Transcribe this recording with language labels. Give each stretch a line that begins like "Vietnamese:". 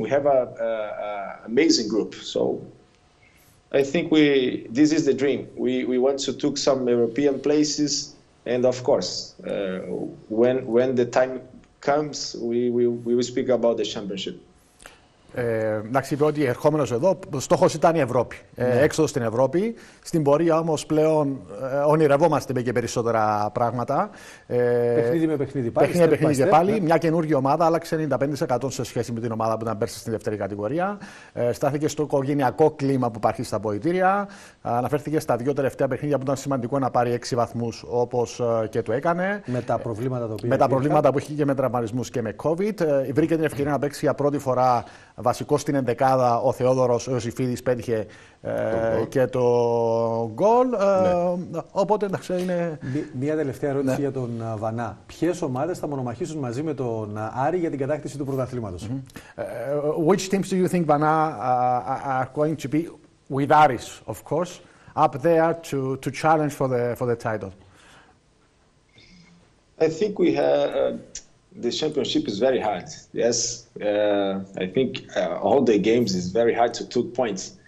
English: We have a amazing group. So I think this is the dream. We want to take some European places, and of course, when the time comes, we will speak about the championship.
Greek: Να ξέρω ότι ερχόμενος εδώ, στόχος ήταν η Ευρώπη, έξοδος στην Ευρώπη. Στην πορεία όμως πλέον ονειρευόμαστε με και περισσότερα πράγματα. Παιχνίδι με παιχνίδι πάλι. Παιχνίδι με παιχνίδι και πάλι. Μια καινούργια ομάδα, άλλαξε 95% σε σχέση με την ομάδα που ήταν πέρσι στην δεύτερη κατηγορία. Στάθηκε στο οικογενειακό κλίμα που υπάρχει στα βοητήρια. Αναφέρθηκε στα δύο τελευταία παιχνίδια που ήταν σημαντικό να πάρει 6 βαθμούς όπως και το έκανε. Με τα προβλήματα, προβλήματα που είχε και με τραυματισμούς και με COVID. Βρήκε την ευκαιρία να παίξει για πρώτη φορά. Βασικό στην ενδεκάδα ο Θεόδωρος Ιωσιφίδης πέτυχε και το γκολ. Ναι. Οπότε εντάξει, είναι. Μία τελευταία ερώτηση για τον Βανά. Ποιες ομάδες θα μονομαχήσουν μαζί με τον Άρη για την κατάκτηση του πρωταθλήματος?
English: Which teams do you think Βανά are going to be with Aris, of course, up there to challenge for the title? I think we have. The championship is very hard. Yes, I think all the games is very hard to take points.